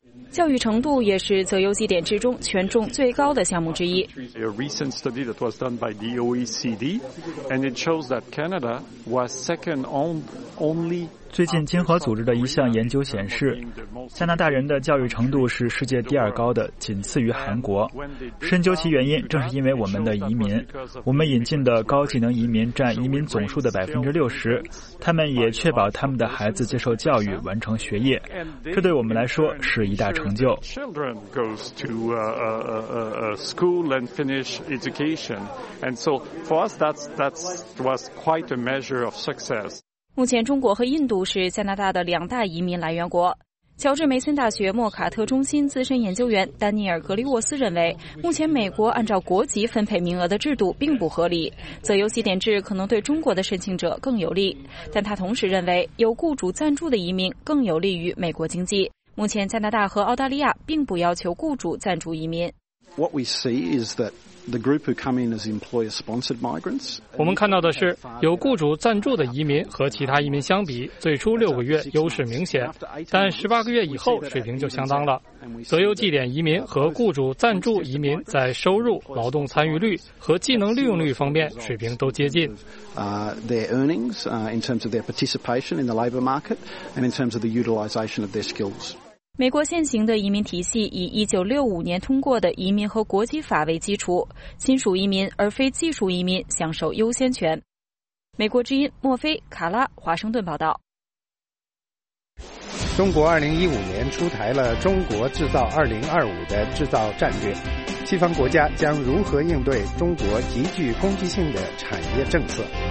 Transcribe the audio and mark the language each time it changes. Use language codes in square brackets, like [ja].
[zh] 教育程度也是择优绩点制中权重最高的项目之一。 [en] A recent study that was done by the OECD, and it shows that Canada was second only. [zh] 最近经合组织的一项研究显示，加拿大人的教育程度是世界第二高的，仅次于韩国。深究其原因，正是因为我们的移民，我们引进的高技能移民占移民总数的60%，他们也确保他们的孩子接受教育，完成学业，这对我们来说是一大成就。 [en] Children goes to school and finish education, and so for us that was quite a measure of success. [zh] 目前中国和印度是加拿大的两大移民来源国。乔治梅森大学莫卡特中心资深研究员丹尼尔·格里沃斯认为，目前美国按照国籍分配名额的制度并不合理，择优绩点制可能对中国的申请者更有利。但他同时认为，有雇主赞助的移民更有利于美国经济。目前加拿大和澳大利亚并不要求雇主赞助移民。 [en] What we see is thatThe group who come in as employer-sponsored migrants. [zh] 我们看到的是，有雇主赞助的移民和其他移民相比，最初6个月优势明显，但18个月以后水平就相当了。择优绩点移民和雇主赞助移民在收入、劳动参与率和技能利用率方面水平都接近。 [en] Their earnings, in terms of their participation in the labor market, and in terms of the utilization of their skills. [zh] 美国现行的移民体系以1965年通过的移民和国籍法为基础，亲属移民而非技术移民享受优先权。美国之音莫菲、卡拉，华盛顿报道。中国2015年出台了中国制造2025的制造战略，西方国家将如何应对中国极具攻击性的产业政策？